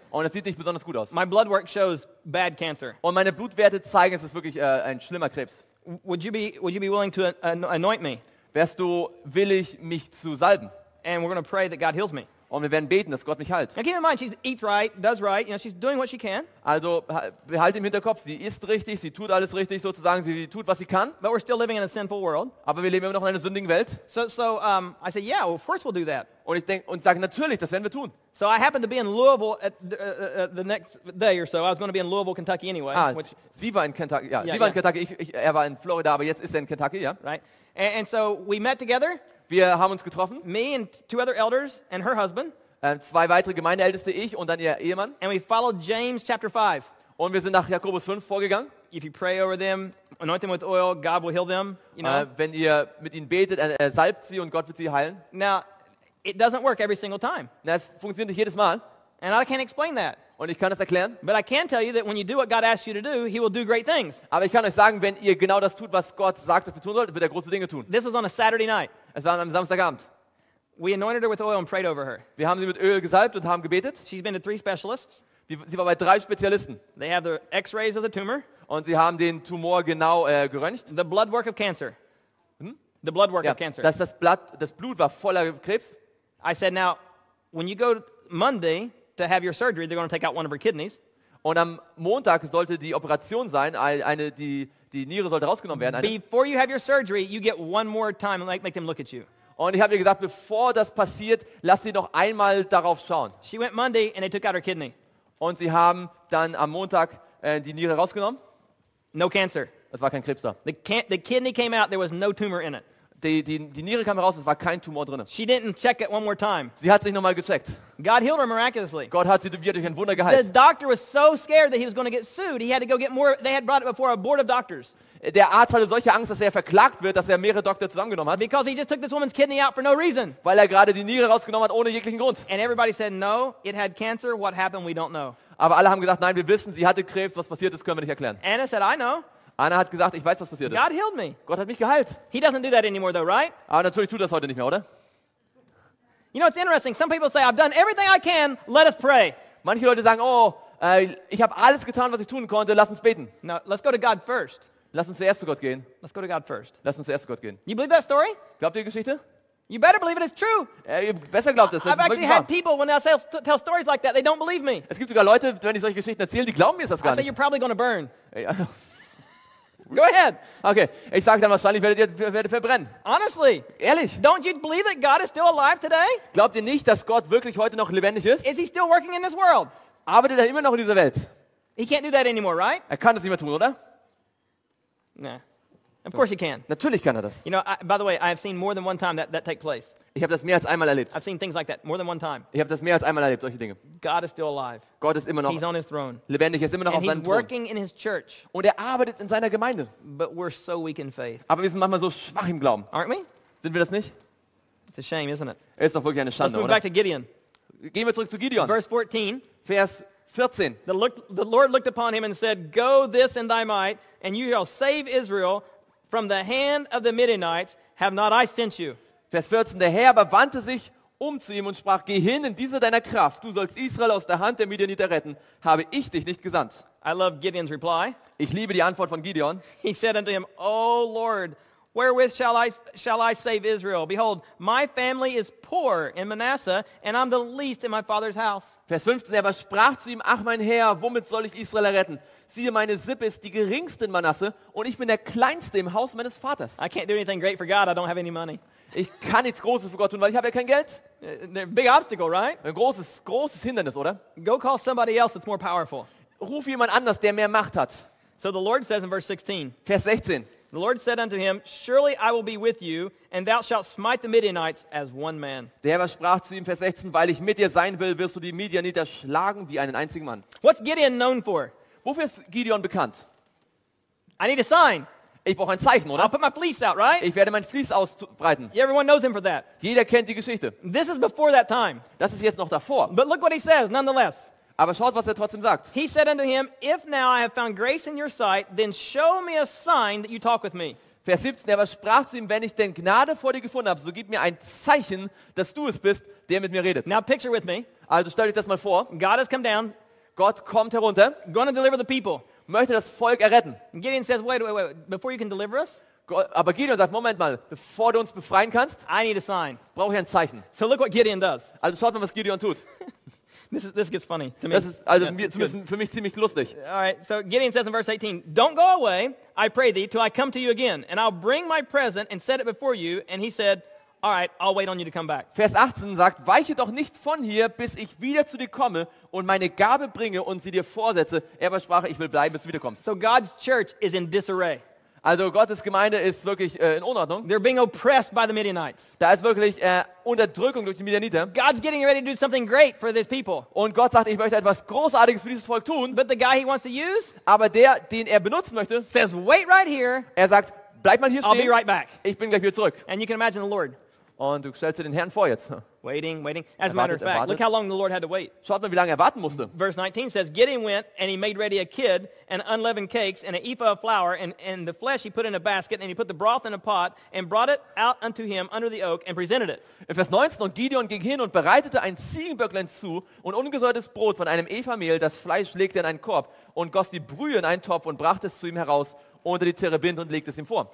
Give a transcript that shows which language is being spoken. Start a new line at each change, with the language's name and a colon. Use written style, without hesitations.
German: Und es sieht nicht besonders gut aus.
English: My blood work shows bad cancer.
German: Und meine Blutwerte zeigen, es ist wirklich ein schlimmer Krebs.
English: Would you be willing to anoint me?
German: Wärst du willig, mich zu salben?
English: And we're going to pray that God heals me.
German: Und wir werden beten, dass Gott mich heilt.
English: Now keep in mind, she eats right, does right. You know, she's doing what she can.
German: Also behalte im Hinterkopf, sie isst richtig, sie tut alles richtig, sozusagen, sie tut, was sie kann.
English: But we're still living in a sinful world.
German: Aber wir leben immer noch in einer sündigen Welt.
English: So, I say, yeah, well, of course we'll do that.
German: Und ich denke und sage, natürlich, das werden wir tun.
English: So I happened to be in Louisville the next day or so. I was going to be in Louisville, Kentucky anyway. Ah, which,
German: sie war in Kentucky. Ja,
English: yeah,
German: sie war in Kentucky. Er war in Florida, aber jetzt ist er in Kentucky, ja.
English: Right. And so we met together.
German: Wir haben uns getroffen.
English: Me and two other elders and her husband.
German: Zwei weitere Gemeindeälteste, ich und dann ihr Ehemann.
English: And we followed James chapter 5.
German: Und wir sind nach Jakobus 5 vorgegangen.
English: If you pray over them, anoint them with oil, God will heal them. You know.
German: Wenn ihr mit ihnen betet, er salbt sie und Gott wird sie heilen.
English: Now, it doesn't work every single time.
German: Das funktioniert nicht jedes Mal.
English: And I can't explain that.
German: Und ich kann das erklären.
English: But I can tell you that when you do what God asks you to do, He will do great things.
German: Aber ich kann euch sagen, wenn ihr genau das tut, was Gott sagt, dass ihr tun sollt, wird er große Dinge tun.
English: This was on a Saturday night.
German: Es war am Samstagabend.
English: We anointed her with oil and prayed over her.
German: Wir haben sie mit Öl gesalbt und haben gebetet.
English: She's been to three specialists.
German: Sie war bei drei Spezialisten.
English: They have the X-rays of the tumor.
German: Und sie haben den Tumor genau geröntgt.
English: The blood work of cancer. The blood work of cancer.
German: Das Blut war voller Krebs.
English: I said, now, when you go Monday to have your surgery, they're going to take out one of her kidneys.
German: Und am Montag sollte die Operation sein, die Niere sollte rausgenommen werden.
English: Before you have your surgery, you get one more time and make them look at you.
German: Und ich habe ihr gesagt, bevor das passiert, lass sie noch einmal darauf schauen.
English: She went Monday and they took out her kidney.
German: Und sie haben dann am Montag die Niere rausgenommen.
English: No cancer.
German: Es war kein Krebs da.
English: The kidney came out, there was no tumor in it.
German: Die Niere kam raus, es war kein Tumor drin.
English: She didn't check it one more time.
German: Sie hat sich nochmal gecheckt.
English: God healed her miraculously.
German: Gott hat sie durch ein Wunder geheilt.
English: The doctor was so scared that he was going to get sued. He had to go get more. They had brought it before a board of doctors.
German: Der Arzt hatte solche Angst, dass er verklagt wird, dass er mehrere Doktoren zusammengenommen hat.
English: Because he just took this woman's kidney out for no reason.
German: Weil er gerade die Niere rausgenommen hat ohne jeglichen Grund.
English: And everybody said no, it had cancer. What happened, we don't know.
German: Aber alle haben gesagt, nein, wir wissen, sie hatte Krebs. Was passiert ist, können wir nicht erklären.
English: Anna said, I know.
German: Anna hat gesagt, ich weiß, was passiert ist.
English: God healed me.
German: Gott hat mich geheilt.
English: He doesn't do that anymore though, right?
German: Aber natürlich tut das heute nicht mehr, oder?
English: You know, it's interesting. Some people say, I've done everything I can, let us pray.
German: Manche Leute sagen, ich habe alles getan, was ich tun konnte, lass uns beten.
English: No, let's go to God first.
German: Lass uns zuerst zu Gott gehen.
English: Let's go to God first.
German: Lass uns zuerst zu Gott gehen.
English: You believe that story?
German: Glaubt ihr die Geschichte?
English: You better believe it is true.
German: Besser glaubt es.
English: I've actually had people when I tell stories like that, they don't believe me.
German: Es gibt sogar Leute, wenn ich solche Geschichten erzähle, die glauben mir das gar nicht.
English: I say, you're probably going to burn.
German: Ja.
English: Go ahead.
German: Okay, ich sage dann wahrscheinlich werdet ihr verbrennen.
English: Honestly,
German: ehrlich.
English: Don't you believe that God is still alive today?
German: Glaubt ihr nicht, dass Gott wirklich heute noch lebendig ist?
English: Is he still working in this world?
German: Arbeitet er immer noch in dieser Welt?
English: He can't do that anymore, right?
German: Er kann das nicht mehr tun, oder?
English: Nah. Of course he can.
German: Natürlich kann er das.
English: You know, by the way, I have seen more than one time that take place.
German: Ich habe das mehr als einmal erlebt.
English: I've seen things like that more than one time.
German: Ich habe das mehr als einmal erlebt, solche Dinge.
English: God is still alive.
German: Gott ist immer noch.
English: He's on his throne.
German: Lebendig, er ist immer noch
English: and
German: auf seinem Thron.
English: He's working in his church.
German: Und er arbeitet in seiner Gemeinde.
English: But we're so weak in faith.
German: Aber wir sind manchmal so schwach im Glauben.
English: Aren't we?
German: Sind wir das nicht?
English: It's a shame, isn't it?
German: Es ist doch wirklich eine Schande,
English: Let's move
German: oder?
English: Back to Gideon.
German: Gehen wir zurück zu Gideon.
English: Verse 14.
German: Vers 14.
English: The Lord looked upon him and said, "Go this in thy might, and you shall save Israel from the hand of the Midianites. Have not I sent you?"
German: Vers 14. Der Herr aber wandte sich um zu ihm und sprach: "Geh hin in diese deiner Kraft. Du sollst Israel aus der Hand der Midianiter retten. Habe ich dich nicht gesandt?"
English: I love Gideon's reply.
German: Ich liebe die Antwort von Gideon.
English: He said unto him, "O Lord, wherewith shall I save Israel? Behold, my family is poor in Manasseh, and I'm the least in my father's house."
German: Vers 15, er aber sprach zu ihm: "Ach, mein Herr, womit soll ich Israel retten? Siehe, meine Sippe ist die geringste in Manasseh, und ich bin der kleinste im Haus meines Vaters."
English: I can't do anything great for God. I don't have any money.
German: Ich kann nichts Großes für Gott tun, weil ich habe ja kein Geld.
English: Big obstacle, right?
German: Ein großes Hindernis, oder?
English: Go call somebody else that's more powerful.
German: Ruf jemand anders, der mehr Macht hat.
English: So the Lord says in verse 16.
German: Vers 16.
English: The Lord said unto him, "Surely I will be with you, and thou shalt smite the Midianites as one man."
German: Der Herr sprach zu ihm, Vers 16, weil ich mit dir sein will, wirst du die Midianiter schlagen wie einen einzigen Mann.
English: What's Gideon known for?
German: Wofür ist Gideon bekannt?
English: I need a sign.
German: Ich brauche ein Zeichen, oder?
English: I'll put my fleece out, right?
German: Ich werde mein Vlies ausbreiten.
English: Everyone knows him for that.
German: Jeder kennt die Geschichte.
English: This is before that time.
German: Das ist jetzt noch davor.
English: But look what he says, nonetheless.
German: Aber schaut, was er trotzdem sagt.
English: He said unto him, "If now I have found grace in your sight, then show me a sign that you talk with me."
German: Vers 17, er sprach zu ihm, wenn ich denn Gnade vor dir gefunden habe, so gib mir ein Zeichen, dass du es bist, der mit mir redet.
English: Now picture with me.
German: Also stell dich das mal vor.
English: God has come down.
German: Gott kommt herunter.
English: Gonna deliver the people.
German: Möchte das Volk erretten.
English: And Gideon says, wait, before you can deliver us.
German: Aber Gideon sagt, Moment mal, bevor du uns befreien kannst,
English: I need a sign.
German: Brauche ich ein Zeichen.
English: So look what Gideon does.
German: Also schaut mal, was Gideon tut.
English: This gets funny to me.
German: Das ist also für mich ziemlich lustig.
English: All right, so Gideon says in verse 18, don't go away, I pray thee, till I come to you again, and I'll bring my present and set it before you. And he said, all right, I'll wait on you to come back.
German: Vers 18 sagt, weiche doch nicht von hier, bis ich wieder zu dir komme und meine Gabe bringe und sie dir vorsetze. Er versprach, ich will bleiben, bis du wiederkommst.
English: So God's church is in disarray.
German: Also Gottes Gemeinde ist wirklich in Unordnung.
English: They're being oppressed by the Midianites.
German: Da ist wirklich Unterdrückung durch die Midianiter.
English: God's getting ready to do something great for these people.
German: Und Gott sagt, ich möchte etwas Großartiges für dieses Volk tun.
English: But the guy he wants to use,
German: aber der, den er benutzen möchte,
English: says, wait right here.
German: Er sagt, bleib mal hier stehen.
English: I'll be right back.
German: Ich bin gleich wieder zurück.
English: And you can imagine the Lord.
German: Und du stellst dir den Herrn vor jetzt.
English: Waiting. As a matter of fact, look how long the Lord had to wait.
German: Schaut mal, wie lange warten musste.
English: Verse 19 says, Gideon went and he made ready a kid and unleavened cakes and an ephah of flour and the flesh he put in a basket and he put the broth in a pot and brought it out unto him under the oak and presented it.
German: In Vers 19, und Gideon ging hin und bereitete ein Ziegenböcklein zu und ungesäuertes Brot von einem Ephahmehl, das Fleisch legte in einen Korb und goss die Brühe in einen Topf und brachte es zu ihm heraus unter die Terebinth und legte es ihm vor.